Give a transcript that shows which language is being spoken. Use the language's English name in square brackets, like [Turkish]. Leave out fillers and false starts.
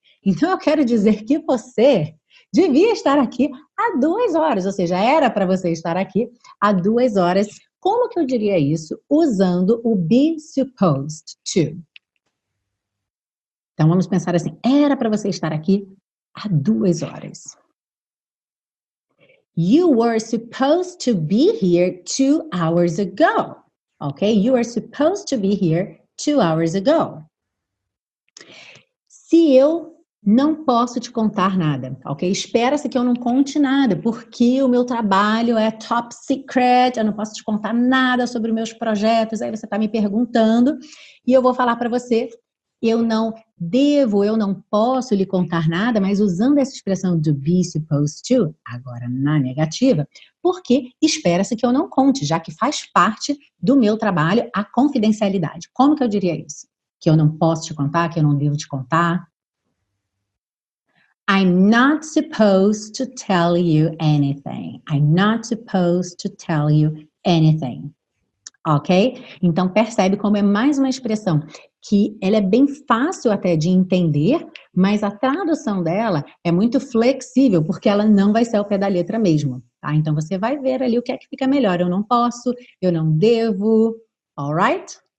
[Portuguese] Então, eu quero dizer que você devia estar aqui há 2 horas, ou seja, era para você estar aqui há 2 horas. Como que eu diria isso? Usando o be supposed to. Então, vamos pensar assim, era para você estar aqui há 2 horas. [English] You were supposed to be here 2 hours ago. Ok? You were supposed to be here 2 hours ago. [Portuguese] Se eu não posso te contar nada, ok? Espera-se que eu não conte nada, porque o meu trabalho é top secret, eu não posso te contar nada sobre meus projetos, aí você está me perguntando, e eu vou falar para você, eu não devo, eu não posso lhe contar nada, mas usando essa expressão do be supposed to, agora na negativa, porque espera-se que eu não conte, já que faz parte do meu trabalho a confidencialidade. Como que eu diria isso? Que eu não posso te contar, que eu não devo te contar? [English] I'm not supposed to tell you anything. I'm not supposed to tell you anything. Ok? [Portuguese] Então, percebe como é mais uma expressão que ela é bem fácil até de entender, mas a tradução dela é muito flexível, porque ela não vai ser ao pé da letra mesmo. Tá? Então, você vai ver ali o que é que fica melhor. Eu não posso, eu não devo. [English] Alright?